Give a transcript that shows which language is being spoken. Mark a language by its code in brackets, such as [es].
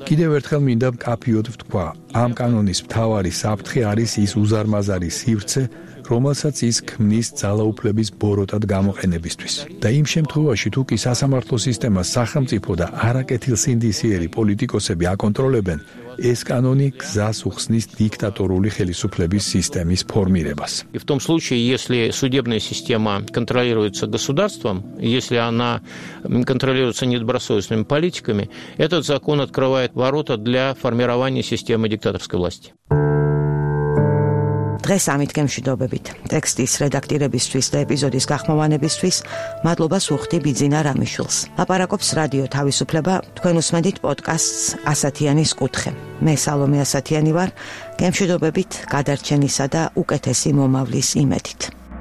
[ka] კიდევ ერთხელ მინდა მკაფიოდ ვთქვა, ამ კანონის მთავარი საფრთხე არის ის უზარმაზარი სივრცე, რომელსაც ის ქმნის ძალაუფლების ბოროტად გამოყენებისთვის. და იმ შემთხვევაში, თუ კი სასამართლო სისტემას სახელმწიფო და არაკეთილ სინდისიერი პოლიტიკოსები აკონტროლებენ, ეს კანონი გზას უხსნის დიქტატორული ხელისუფლების სისტემის ფორმირებას. [ru] И в том случае, если судебная система контролируется государством, если она контролируется недобросовестными политиками, этот закон открывает ворота для формирования системы диктаторской власти. [ka] დღეს ამიტკემშვიდობებით. ტექსტის რედაქტირებისთვის და ეპიზოდის გახმოვანებისთვის მადლობა სუხტი ბიძინა რამიშვილს. აპარაკობს რადიო თავისუფლება, თქვენ უსმენთ პოდკასტს ასათიანის კუთხე. მე სალომე ასათიანი ვარ. გემშვიდობებით გადარჩენისა და უკეთესი მომავლის იმედით.